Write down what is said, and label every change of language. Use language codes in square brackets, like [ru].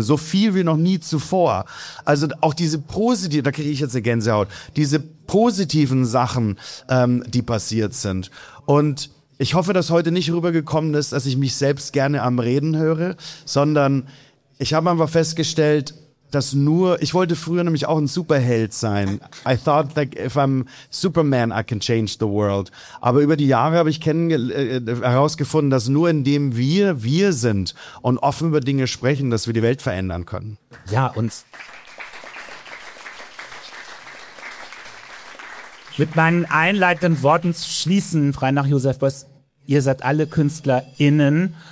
[de] So viel wie noch nie zuvor. Also auch diese positiven, da kriege ich jetzt eine Gänsehaut, diese positiven Sachen, die passiert sind. Und ich hoffe, dass heute nicht rübergekommen ist, dass ich mich selbst gerne am Reden höre, sondern ich habe einfach festgestellt, ich wollte früher nämlich auch ein Superheld sein. [en] I thought that if I'm Superman, I can change the world. [de] Aber über die Jahre habe ich herausgefunden, dass nur indem wir sind und offen über Dinge sprechen, dass wir die Welt verändern können. Ja, und mit meinen einleitenden Worten zu schließen, frei nach Josef Beuys, ihr seid alle KünstlerInnen.